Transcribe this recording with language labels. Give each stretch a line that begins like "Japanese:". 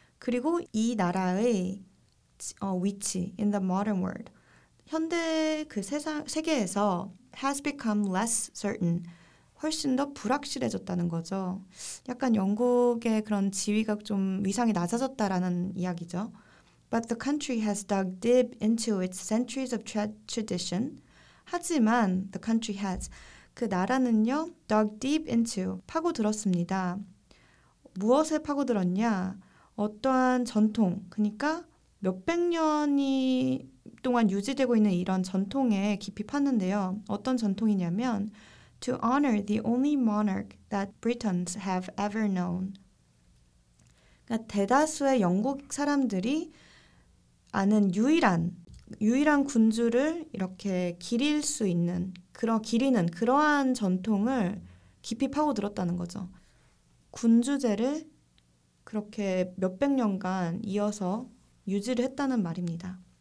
Korean: 그리고 이 나라의 위치
English: in the modern world.
Korean: 현대 그 세계에서
English: has become less certain.
Korean: 훨씬 더 불확실해졌다는 거죠. 약간 영국의 그런 지위가 좀 위상이 낮아졌다라는 이야기죠.
English: But the country has dug deep into its centuries of tradition.
Korean: 하지만
English: the country has
Korean: 그 나라는요
English: dug deep into
Korean: 파고들었습니다. 무엇에 파고들었냐? 어떠한 전통 그러니까 몇백 년이 동안 유지되고 있는 이런 전통에 깊이 팠는데요. 어떤 전통이냐면
English: To honor the only monarch that Britons have ever known.
Korean: 그러니까 대다수의 영국 사람들이 아는 유일한 군주를 이렇게 기릴 수 있는 기리는 그러한 전통을 깊이 파고들었다는 거죠. 군주제를 그렇게 몇백 년간 이어서 유지를 했다는 말입니다.